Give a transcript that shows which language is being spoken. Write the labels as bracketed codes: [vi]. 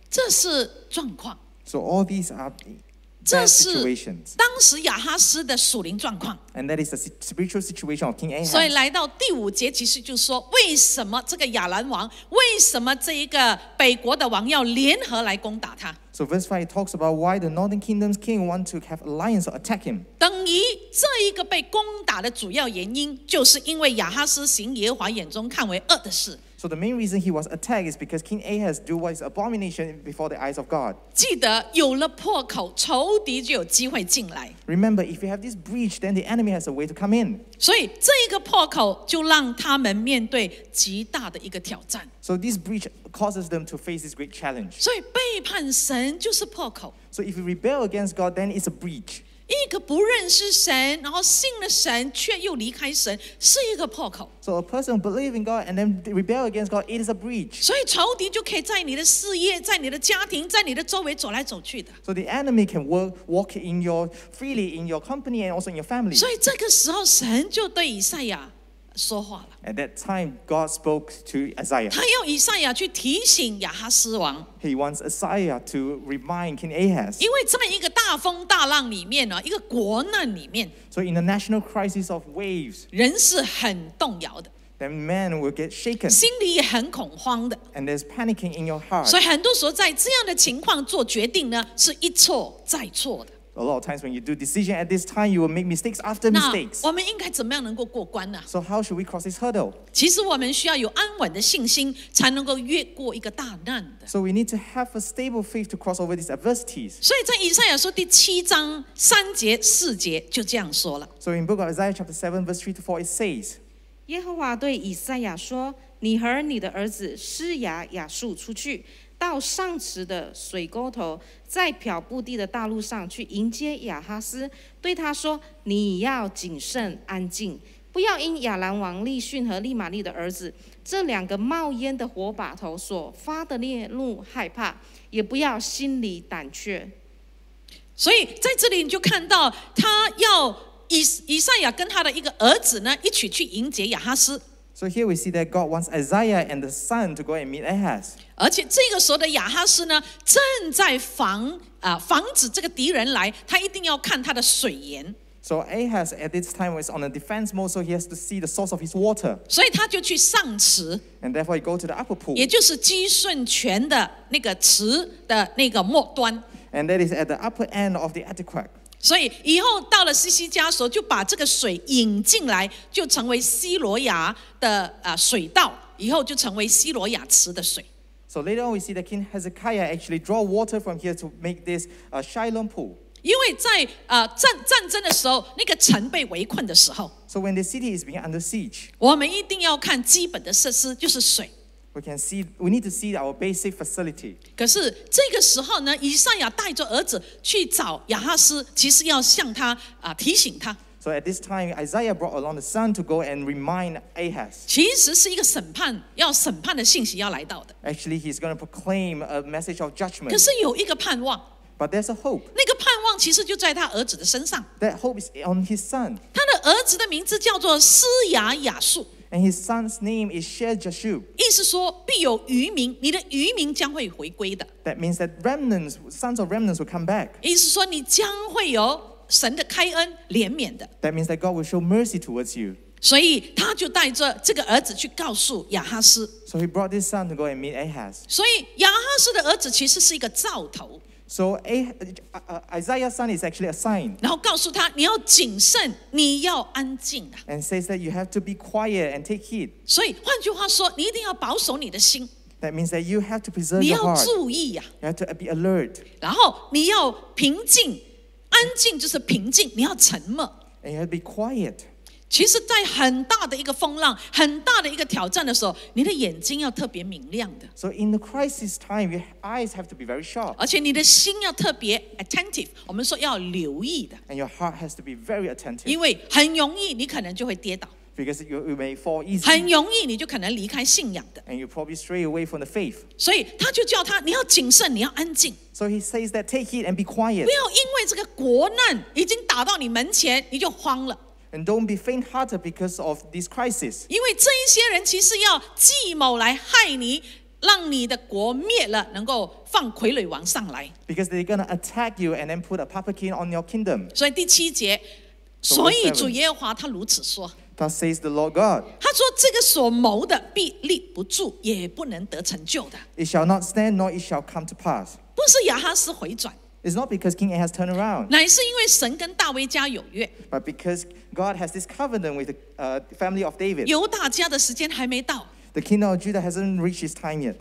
[zh] 这是状况。 [en] So all these are bad situations. [zh] 这是当时亚哈斯的属灵状况。 [en] And that is the spiritual situation of King Ahaz. [zh] 所以来到第五节，其实就是说，为什么这个亚兰王，为什么这一个北国的王要联合来攻打他？ [en] So verse 5 talks about why the northern kingdom's king want to have alliance or attack him. [zh] 等于这一个被攻打的主要原因，就是因为亚哈斯行耶和华眼中看为恶的事。 [en] So the main reason he was attacked is because King Ahaz do what is abomination before the eyes of God. [zh] 记得有了破口，仇敌就有机会进来。 [en] Remember, if you have this breach, then the enemy has a way to come in. [zh] 所以这一个破口就让他们面对极大的一个挑战。 [en] So this breach causes them to face this great challenge. [zh] 所以背叛神就是破口。 [en] So if you rebel against God, then it's a breach. [zh] 一个不认识神，然后信了神，却又离开神，是一个破口。 [en] So a person believe in God and then rebel against God, it is a breach. [zh] 所以仇敌就可以在你的事业、在你的家庭、在你的周围走来走去的。 [en] So the enemy can walk in your freely in your company and also in your family. [zh] 所以这个时候，神就对以赛亚说话了。 [en] At that time, God spoke to Isaiah. [zh] 他要以赛亚去提醒亚哈斯王。 [en] He wants Isaiah to remind King Ahaz. [zh] 因为在一个大风大浪里面呢，一个国难里面。 [en] So in a national crisis of waves, [zh] 人是很动摇的。 [en] Then man will get shaken. [zh] 心里也很恐慌的。 [en] And there's panicking in your heart. [zh] 所以很多时候在这样的情况做决定呢，是一错再错的。 [en] A lot of times when you do decision at this time, you will make mistakes after mistakes. [zh] 那我们应该怎么样能够过关呢？ [en] So how should we cross this hurdle? [zh] 其实我们需要有安稳的信心，才能够越过一个大难的。 [en] So we need to have a stable faith to cross over these adversities. [zh] 所以在以赛亚书第七章三节四节就这样说了。 [en] So in book of Isaiah chapter 7 verse 3 to 4 it says, [zh] 耶和华对以赛亚说，你和你的儿子施雅亚述出去。到上池的水沟头，在漂布地的大路上去迎接亚哈斯，对他说：你要谨慎安静，不要因亚兰王利逊和利玛利的儿子这两个冒烟的火把头所发的烈怒害怕，也不要心里胆怯。所以在这里你就看到他要以赛亚跟他的一个儿子呢一起去迎接亚哈斯。 [en] So here we see that God wants Isaiah and the son to go and meet Ahaz. [zh] 而且这个时候的亚哈斯呢，正在防止这个敌人来，他一定要看他的水源。 [en] So Ahaz at this time was on a defense mode, so he has to see the source of his water. [zh] 所以他就去上池。 [en] And therefore he go to the upper pool. [zh] 也就是基顺泉的那个池的那个末端。 [en] And that is at the upper end of the aqueduct. [zh] 所以以后到了西西加所就把这个水引进来，就成为西罗亚的水道，以后就成为西罗亚池的水。 [en] So later on we see that King Hezekiah actually draw water from here to make this Shiloh pool. [zh] 因为在战争的时候，那个城被围困的时候。 [en] So when the city is being under siege. [zh] 我们一定要看基本的设施，就是水。 [en] We need to see our basic facility. [zh] 可是这个时候呢，以赛亚带着儿子去找亚哈斯，其实要向他提醒他。 [en] So at this time, Isaiah brought along the son to go and remind Ahaz. [zh] 其实是一个审判，要审判的信息要来到的。 [en] Actually, he's going to proclaim a message of judgment. [zh] 可是有一个盼望。 [en] But there's a hope. [zh] 那个盼望其实就在他儿子的身上。 [en] That hope is on his son. [zh] 他的儿子的名字叫做施雅雅述。 [en] And his son's name is Shear-Jashub. [zh] 意思说，必有余民，你的余民将会回归的。 [en] That means that remnants, sons of remnants will come back. [zh] 意思说，你将会有神的开恩怜悯的。 [en] That means that God will show mercy towards you. [zh] 所以他就带着这个儿子去告诉亚哈斯。 [en] So he brought this son to go and meet Ahaz. [zh] 所以亚哈斯的儿子其实是一个兆头。 [en] So Isaiah's son is actually a sign. [zh] 然后告诉他，你要谨慎，你要安静啊。 [en] And says that you have to be quiet and take heed. [zh] 所以换句话说，你一定要保守你的心。 [en] That means that you have to preserve your heart. [zh] 你要注意啊。 [en] You have to be alert. [zh] 然后你要平静，安静就是平静，你要沉默。 [en] And you have to be quiet. [zh] 其实，在很大的一个风浪、很大的一个挑战的时候，你的眼睛要特别明亮的。 [en] So in the crisis time, your eyes have to be very sharp. [zh] 而且你的心要特别 attentive， 我们说要留意的。 [en] And your heart has to be very attentive. [zh] 因为很容易你可能就会跌倒。 [en] Because you may fall easily. [zh] 很容易你就可能离开信仰的。 [en] And you probably stray away from the faith. [zh] 所以他就叫他，你要谨慎，你要安静。 [en] So he says that take heed and be quiet. [zh] 不要因为这个国难已经打到你门前，你就慌了。 [en] And don't be faint-hearted because of this crisis. [zh] 因为这一些人其实要计谋来害你，让你的国灭了，能够放傀儡王上来。 [en] Because they're going to attack you and then put a puppet king on your kingdom. [zh] 所以第七节，所以主耶和华他如此说。 [en] Thus says the Lord God. [zh] 他说这个所谋的必立不住，也不能得成就的。 [en] It shall not stand, nor it shall come to pass. [zh] 不是亚哈斯回转。 [en] It's not because King Ahaz turned around. [zh] 乃是因为神跟大卫家有约。 [en] But because God has this covenant with the family of David. [zh] 犹大家的时间还没到。 [en] The kingdom of Judah hasn't reached its time yet.